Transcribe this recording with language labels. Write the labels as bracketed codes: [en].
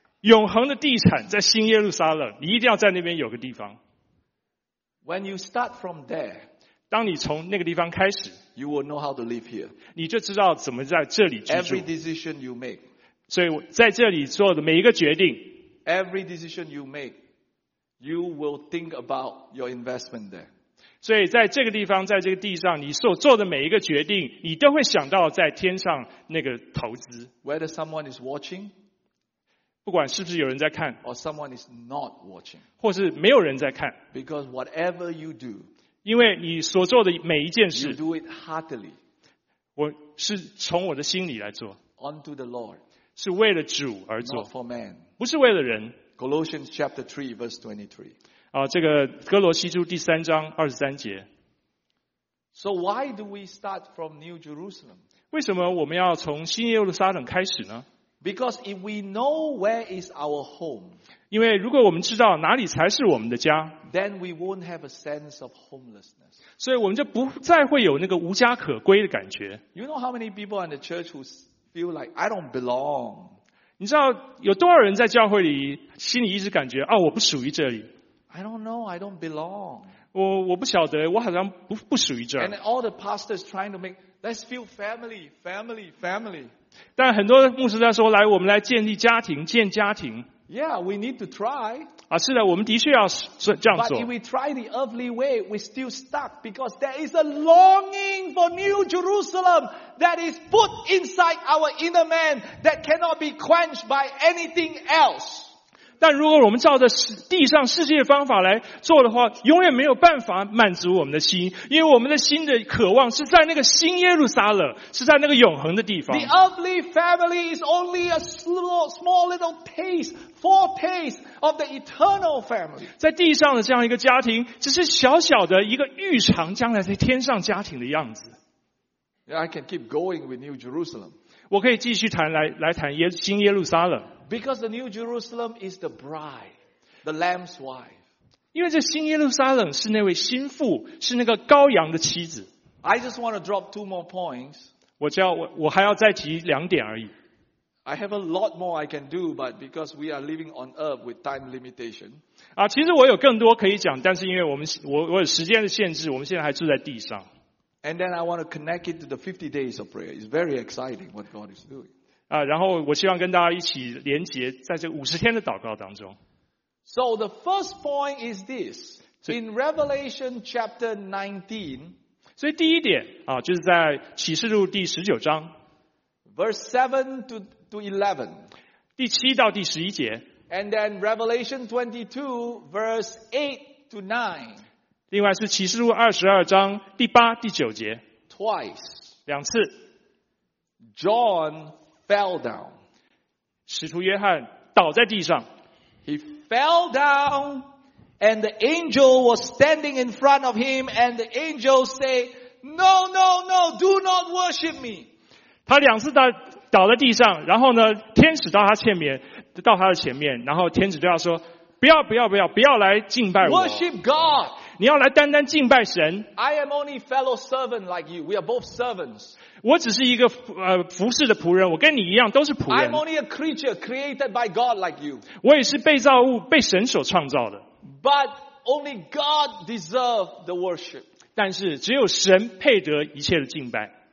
[zh] 永恒的地产在新耶路撒冷，你一定要在那边有个地方。 [en] When you start from there, [zh] 当你从那个地方开始 [en] ，you will know how to live here. [zh] 你就知道怎么在这里居住。 [en] Every decision you make, [zh] 所以在这里做的每一个决定 [en] ，every decision you make, you will think about your investment there. [zh] 所以在这个地方，在这个地上，你所做的每一个决定，你都会想到在天上那个投资。 [en] Whether someone is watching, [zh] 不管是不是有人在看 [en] or someone is not watching, [zh] 或是没有人在看。 [en] Because whatever you do, [zh] 因为你所做的每一件事 [en] you do it heartily, [zh] 我是从我的心里来做 [en] unto the Lord, [zh] 是为了主而做 [en] not for man, [zh] 不是为了人。 [en] Colossians chapter 3 verse 23 [zh] 这个哥罗西书第三章二十三节。 [en] So why do we start from New Jerusalem? [zh] 为什么我们要从新耶路撒冷开始呢？ [en] Because if we know where is our home, [zh] 因为如果我们知道哪里才是我们的家， [en] then we won't have a sense of homelessness. [zh] 所以我们就不再会有那个无家可归的感觉。 [en] You know how many people in the church who feel like I don't belong? [zh] 你知道有多少人在教会里心里一直感觉啊，我不属于这里。 [en] I don't know, I don't belong. [zh] 我不晓得，我好像不属于这儿。 [en] And all the pastors trying to make, let's feel family, family, family. [zh] 但很多牧师在说，来，我们来建立家庭，建家庭。 [en] Yeah, we need to try. [zh] 是的，我们的确要这样做。 [en] But if we try the earthly way, we're still stuck because there is a longing for New Jerusalem that is put inside our inner man that cannot be quenched by anything else. [zh] 但如果我们照着地上世界的方法来做的话，永远没有办法满足我们的心，因为我们的心的渴望是在那个新耶路撒冷，是在那个永恒的地方。 [en] The earthly family is only a small little taste, foretaste of the eternal family. [zh] 在地上的这样一个家庭，只是小小的一个预尝将来在天上家庭的样子。 [en] I can keep going with New Jerusalem. [zh] 我可以继续谈来谈新耶路撒冷。 [en] Because the New Jerusalem is the bride, the Lamb's wife. [zh] 因为这新耶路撒冷是那位新妇，是那个羔羊的妻子。 [en] I just want to drop two more points. [zh] 我还要再提两点而已。 [en] I have a lot more I can do, but because we are living on earth with time limitation. [zh] 其实我有更多可以讲，但是因为我有时间的限制，我们现在还住在地上。 [en] And then I want to connect it to the 50 days of prayer. It's very exciting what God is doing. [zh] 然后我希望跟大家一起连结在这50天的祷告当中。 [en] So the first point is this. In Revelation chapter 19, [zh] 所以第一点就是在启示录第19章 [en] verse 7 to 11, [zh] 第七到第十一节。 [en] And then Revelation 22 verse 8 to 9, [zh] 另外是启示录22章第八第九节。 [en] Twice, [zh] 两次 [en] JohnFell down. [zh] 使徒约翰倒在地上。 [en] He fell down, and the angel was standing in front of him, and the angel said, No, no, no, do not worship me. [zh] 他两次倒在地上，然后呢，天使到他的前面，然后天使对他说，不要不要不要，不要来敬拜我。 [en] Worship God. [zh] 你要来单单敬拜神。 [en] I am only fellow servant like you. We are both servants. [zh] 我只是一个服侍的仆人，我跟你一样都是仆人。 [en] I'm only a creature created by God like you. [zh] 我也是被造物，被神所创造的。 [en] But only God deserves the worship. [zh] 但是只有神配得一切的敬拜。